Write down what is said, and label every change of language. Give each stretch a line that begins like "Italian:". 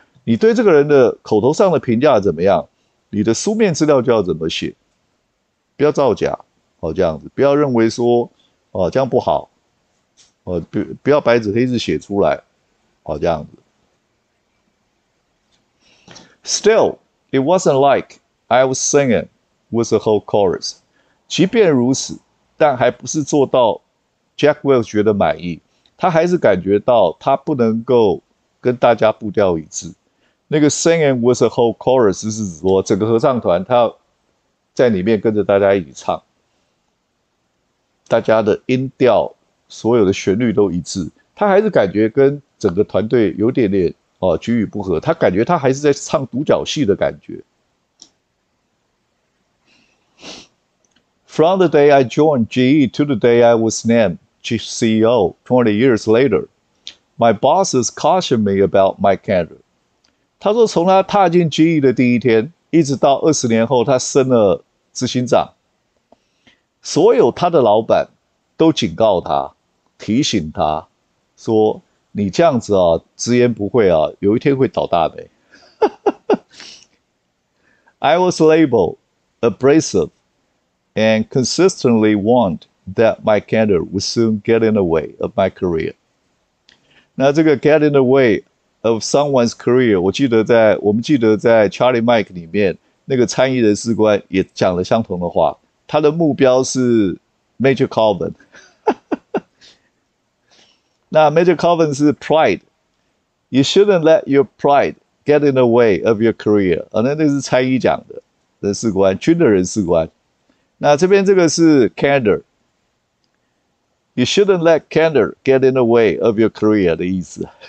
Chinese: 你对这个人的口头上的评价怎么样，你的书面资料就要怎么写，不要造假。这样子，不要认为说这样不好，不要白纸黑字写出来，这样子。
English: Still, it wasn't like I was singing with the whole chorus.
Chinese: 即便如此，但还不是做到 Jack Welch 觉得满意，他还是感觉到他不能够跟大家步调一致。那个
English: singing with the whole chorus
Chinese: 是指说整个合唱团他要在里面跟着大家一起唱，大家的音调所有的旋律都一致，他还是感觉跟整个团队有点点趋于不合，他感觉他还是在唱独角戏的感觉。
English: From the day I joined GE to the day I was named CEO 20 years later, my bosses cautioned me about my candor.
Chinese: 他说从他踏进 GE 的第一天一直到20年后他升了执行长。所有他的老板都警告他提醒他说你这样子啊直言不讳啊有一天会倒大霉。
English: I was labeled abrasive and consistently warned that my candor would soon get in the way of my career.
Chinese: 那这个
English: get in the way of someone's career,
Chinese: 我们记得在 Charlie Mike 里面那个参议人士官也讲了相同的话。他的目标是 Major Colvin。那 Major Colvin 是 Pride.
English: You shouldn't let your pride get in the way of your career.
Chinese: 那是参议讲的人士官军的人士官。那这边这个是 candor。
English: You shouldn't let candor get in the way of your career
Chinese: 的意思。